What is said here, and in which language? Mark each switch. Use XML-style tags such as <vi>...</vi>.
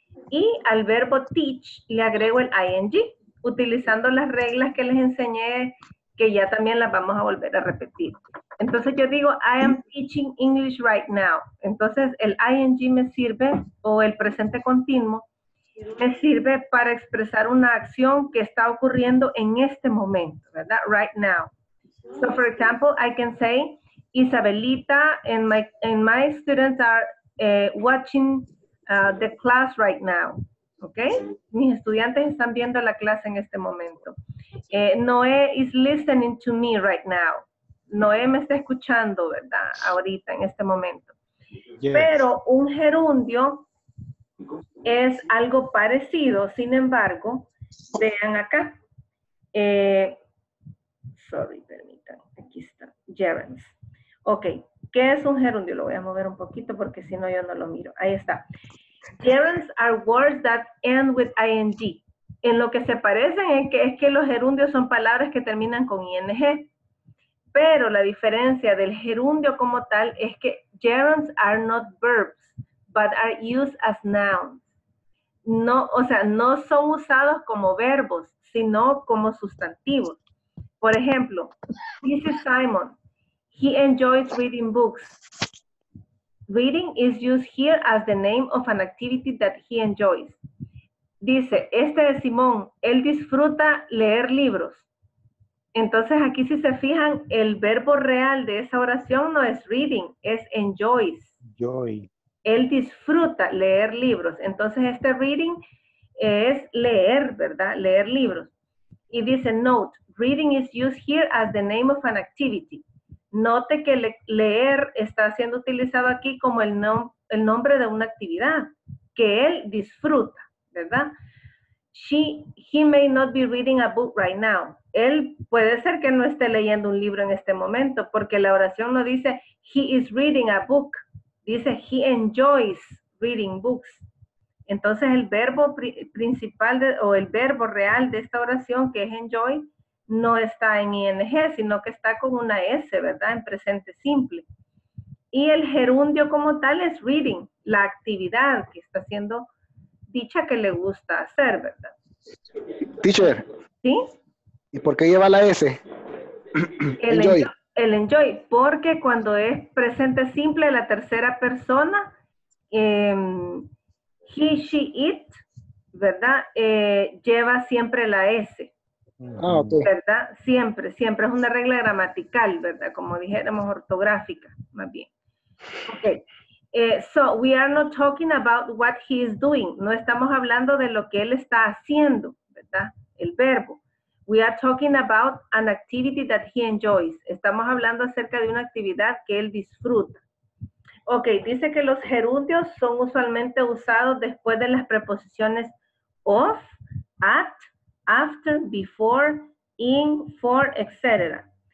<es>Y al verbo teach le agrego el ing, utilizando las reglas que les enseñé, que ya también las vamos a volver a repetir. Entonces yo digo,</es> <en>I am teaching English right now.</en> <es>Entonces el ing me sirve, o el presente continuo, me sirve para expresar una acción que está ocurriendo en este momento, ¿verdad?</es> <en>Right now. So, for example, I can say, Isabelita and my students are watching the class right now. Okay?</en> <es>Mis estudiantes están viendo la clase en este momento.</es> <en>Noé is listening to me right now. Noé</en> <es>me está escuchando, ¿verdad? Ahorita, en este momento.</es> <en>Yes.</en> <es>Pero un gerundio es algo parecido, sin embargo, vean acá.</es> <en>Sorry,</en> <es>permítanme, aquí está, gerunds. Ok, ¿qué es un gerundio? Lo voy a mover un poquito porque si no yo no lo miro. Ahí está.</es> <en>Gerunds are words that end with ing.</en> <es>En lo que se parecen es que los gerundios son palabras que terminan con ing. Pero la diferencia del gerundio como tal es que</es> <en>gerunds are not verbs, but are used as nouns.</en> <es>No, o sea, no son usados como verbos, sino como sustantivos. Por ejemplo,</es> <en>this is Simon. He enjoys reading books. Reading is used here as the name of an activity that he enjoys.</en> <es>Dice, este es Simón, él disfruta leer libros. Entonces aquí si se fijan, el verbo real de esa oración no es reading, es enjoys.</es> <en>Joy.</en> <es>Él disfruta leer libros. Entonces este reading es leer, ¿verdad? Leer libros. Y dice,</es> <en>note, reading is used here as the name of an activity.</en> <es>Note que leer está siendo utilizado aquí como el nombre de una actividad que él disfruta, ¿verdad?</es> <en>He may not be reading a book right now.</en> <es>Él puede ser que no esté leyendo un libro en este momento, porque la oración no dice</es> <en>he is reading a book.</en> <es>Dice</es> <en>he enjoys reading books.</en> <es>Entonces el verbo principal o el verbo real de esta oración, que es enjoy, no está en ing, sino que está con una s, ¿verdad? En presente simple. Y el gerundio como tal es reading, la actividad que está haciendo dicha que le gusta hacer, ¿verdad?</es> <en>Teacher.</en> <es>¿Sí? ¿Y por qué lleva la s? El enjoy. El enjoy, porque cuando es presente simple, la tercera persona, he, she, it, ¿verdad? Lleva siempre la s. Ah, okay. ¿Verdad? Siempre, siempre. Es una regla gramatical, ¿verdad? Como dijéramos, ortográfica, más bien. Ok.</es> <en>So, we are not talking about what he is doing.</en> <es>No estamos hablando de lo que él está haciendo, ¿verdad? El verbo.</es> <en>We are talking about an activity that he enjoys.</en> <es>Estamos hablando acerca de una actividad que él disfruta. Ok, dice que los gerundios son usualmente usados después de las preposiciones of, at, after, before, in, for, etc.</es>